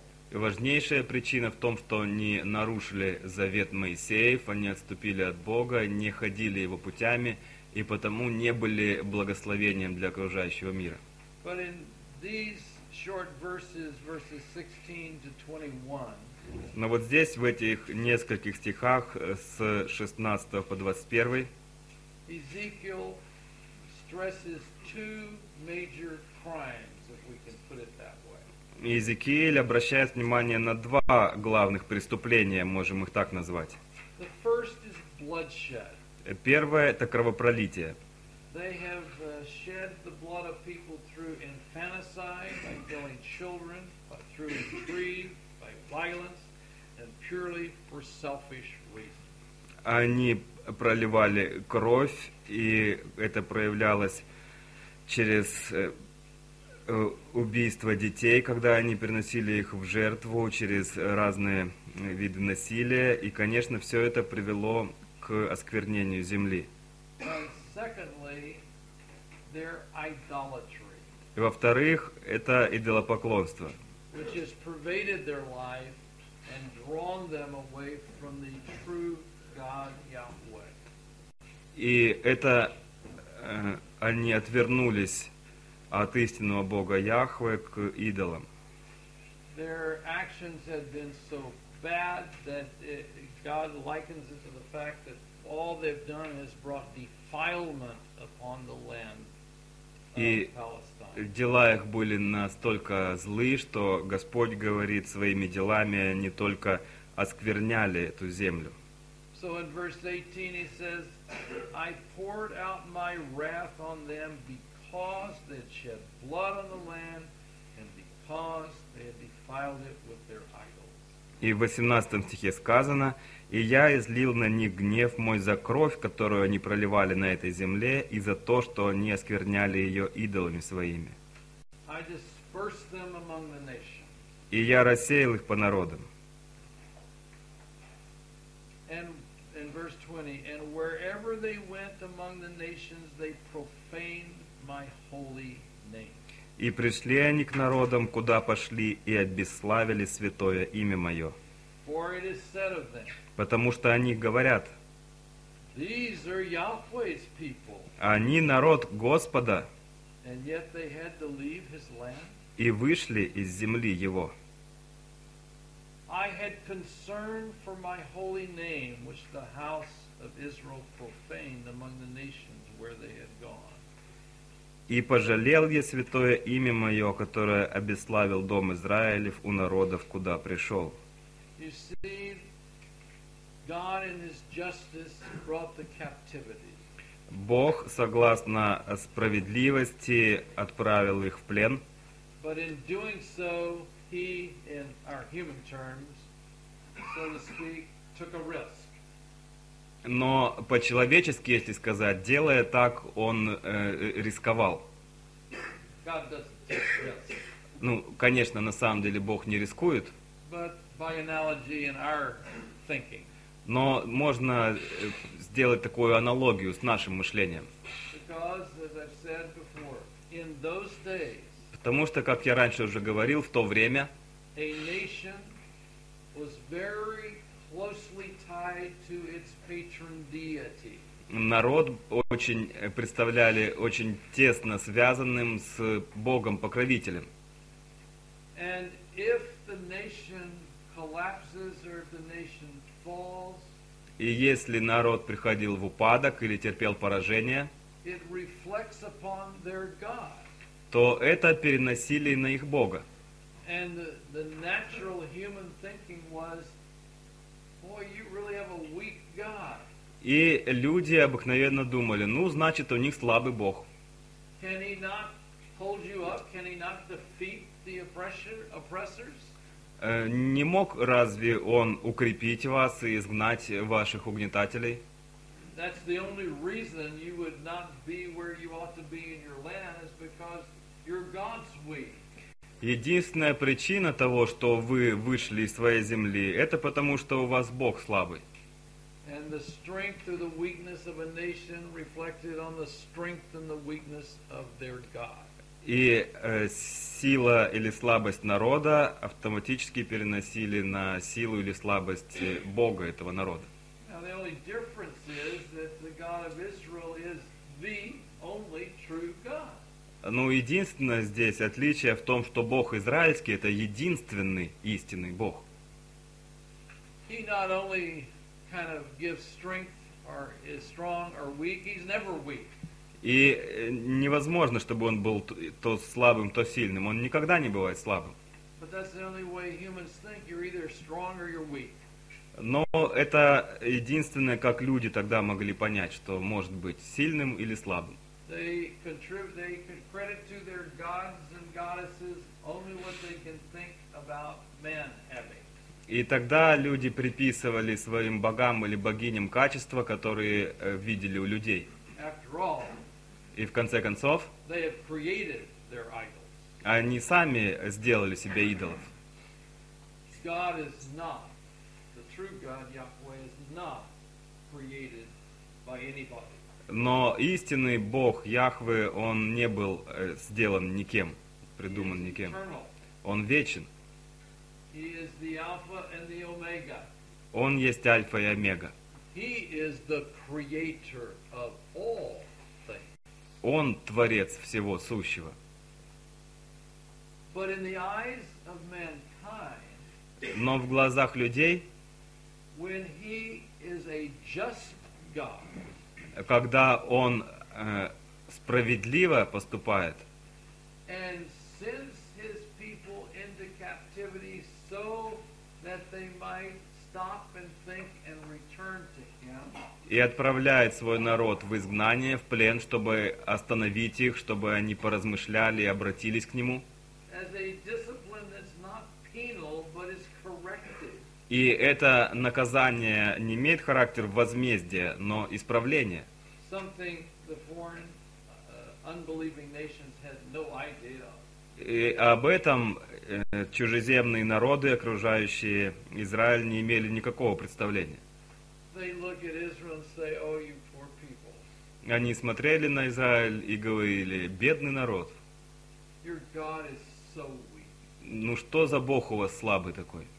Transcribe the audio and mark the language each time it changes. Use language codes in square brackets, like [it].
[ru] Важнейшая причина в том, что они нарушили завет Моисеев, они отступили от Бога, не ходили его путями, и потому не были благословением для окружающего мира. [en] These short verses 16 to 21. [ru] Но вот здесь, в этих нескольких стихах, с 16 по 21, [en] Ezekiel stresses two major crimes, if we can put it that way. [ru] Иезекииль обращает внимание на два главных преступления, можем их так назвать. [en] The first is bloodshed. [ru] Первое – это кровопролитие. [en] They have shed the blood of people through infanticide, by killing children, by through intrigue, by violence, and purely for selfish reasons. [ru] Они проливали кровь, и это проявлялось через убийство детей, когда они приносили их в жертву, через разные виды насилия, и, конечно, все это привело к осквернению земли. [en] Secondly, their idolatry. [ru] И во-вторых, это идолопоклонство, [en] which has pervaded their life and drawn them away from the true God Yahweh. [ru] И это они отвернулись от истинного Бога Яхве к идолам. [en] Their actions had been so bad that God likens it to the fact that all they've done has brought defilement upon the land of Palestine. [ru] И дела их были настолько злы, что Господь говорит, своими делами они только оскверняли эту землю. [en] So in verse 18 he says, I poured out my wrath on them because they had shed blood on the land and because they had defiled it with their idols. [ru] И в 18 стихе сказано, и я излил на них гнев мой за кровь, которую они проливали на этой земле, и за то, что они оскверняли ее идолами своими. [en] I dispersed them among the nations. [ru] И я рассеял их по народам. [en] And verse 20, and wherever they went among the nations, they profaned my holy name. [ru] И пришли они к народам, куда пошли, и обесславили святое имя мое. [en] For it is said of them, [ru] потому что они говорят, [en] these are Yahweh's people, [ru] они народ Господа, [en] and yet they had to leave his land. [ru] И вышли из земли его. [en] I had concern for my holy name, which the house of Israel profaned among the nations where they had gone. [ru] И пожалел я святое имя мое, которое обесславил дом Израилев у народов, куда пришел. [en] You see, God in his justice brought the captivity. [ru] Бог, согласно справедливости, отправил их в плен. [en] But in doing so, he, in our human terms, so to speak, took a risk. [ru] Но по-человечески, если сказать, делая так, он рисковал. [en] God doesn't take risks. [ru] Ну, конечно, на самом деле Бог не рискует. [en] But by analogy in our thinking. [ru] Но можно сделать такую аналогию с нашим мышлением. [en] Because, as I've said before, in those days, [ru] потому что, как я раньше уже говорил, в то время [en] a nation was very closely tied to its patron deity. [ru] Народ очень представляли очень тесно связанным с Богом-покровителем. [en] And if the nation collapses or if the nation falls, [ru] и если народ приходил в упадок или терпел поражение, [en] it reflects upon their God. [ru] То это переносили на их Бога. [en] And the natural human thinking was, boy, you really have a weak God. [ru] И люди обыкновенно думали, ну, значит, у них слабый Бог. [en] Can he not hold you up? Can he not defeat the oppressors? [ru] Не мог разве он укрепить вас и изгнать ваших угнетателей? [en] That's the only reason you would not be where you ought to be in your land is because your God's weak. [ru] Единственная причина того, что вы вышли из своей земли, это потому, что у вас Бог слабый. [en] And the strength or the weakness of a nation reflected on the strength and the weakness of their God. [ru] И сила или слабость народа автоматически переносили на силу или слабость Бога этого народа. [en] Now the only difference is that the God of Israel is the only true God. [ru] Ну, единственное здесь отличие в том, что Бог израильский — это единственный истинный Бог. [en] He not only kind of gives strength or is strong or weak, he's never weak. [ru] И невозможно, чтобы он был то слабым, то сильным. Он никогда не бывает слабым. [en] But that's the only way humans think. You're either strong or you're weak. [ru] Но это единственное, как люди тогда могли понять, что может быть сильным или слабым. [en] They can credit to their gods and goddesses only what they can think about men having. [ru] И тогда люди приписывали своим богам или богиням качества, которые видели у людей. [en] After all, [ru] и в конце концов, [en] they have created their idols. [ru] Они сами сделали себе идолов. [en] God is not, the true God, Yahweh, is not created by anybody. [ru] Но истинный Бог Яхве, он не был сделан никем, придуман никем. Он вечен. [en] He is the Alpha and the Omega. [ru] Он есть Альфа и Омега. [en] He is the creator of all things. [ru] Он творец всего сущего. [en] But in the eyes of mankind, [ru] но в глазах людей, [en] when he is a just God, [ru] когда он справедливо поступает, [en] and sends his people into captivity so that they might stop and think and return to him, [ru] и отправляет свой народ в изгнание, в плен, чтобы остановить их, чтобы они поразмышляли и обратились к нему, [en] as a discipline that's not penal, but is corrective. [ru] И это наказание не имеет характер возмездия, но исправления. [en] Something the foreign, unbelieving nations had no idea of. [ru] И об этом чужеземные народы, окружающие Израиль, не имели никакого представления. [en] They look at Israel and say, oh, you poor people. [ru] Они смотрели на Израиль и говорили, бедный народ. [en] Your God is so weak. [ru] Ну что за Бог у вас слабый такой?